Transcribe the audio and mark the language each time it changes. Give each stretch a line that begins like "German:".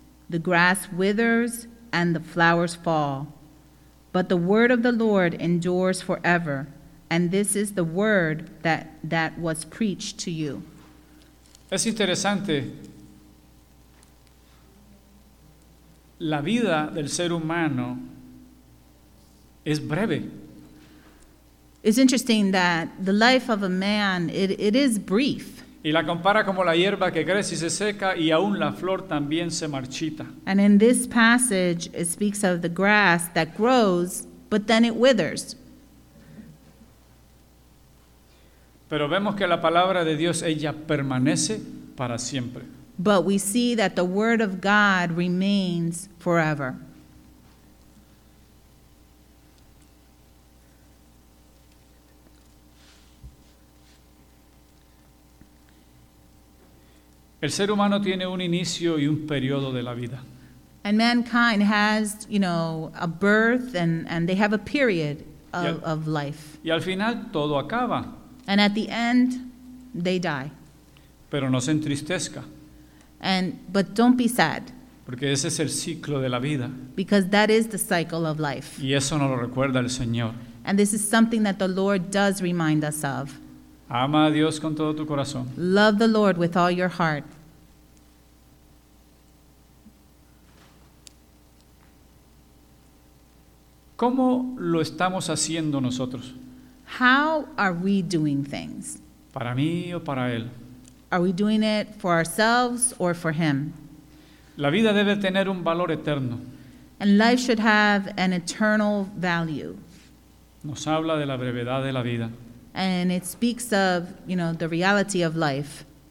English: The grass withers and the flowers fall, but the word of the Lord endures forever, and this is the word that was preached to you.
Spanish: Es interesante. La vida del ser humano es breve.
English: It's interesting that the life of a man, it is brief.
Spanish: Y la compara como la hierba que crece y se seca, y aún la flor también se marchita.
English: And in this passage, it speaks of the grass that grows, but then it withers.
Spanish: Pero vemos que la palabra de Dios, ella permanece para siempre.
English: But we see that the word of God remains forever.
Spanish: El ser humano tiene un inicio y un periodo de la vida.
English: And mankind has, you know, a birth and they have a period of life.
Spanish: Y al final todo acaba.
English: And at the end, they die.
Spanish: Pero no se entristezca.
English: But don't be sad.
Spanish: Porque ese es el ciclo de la vida.
English: Because that is the cycle of life.
Spanish: Y eso nos lo recuerda el Señor.
English: And this is something that the Lord does remind us of.
Spanish: Ama a Dios con todo tu corazón.
English: Love the Lord with all your heart.
Spanish: ¿Cómo lo estamos haciendo nosotros?
English: How are we doing things?
Spanish: ¿Para mí o para Él?
English: Are we doing it for ourselves or for Him?
Spanish: La vida debe tener un valor eterno.
English: And life should have an eternal value.
Spanish: Nos habla de la brevedad de la vida.
English: And it speaks of, you know, the reality of life.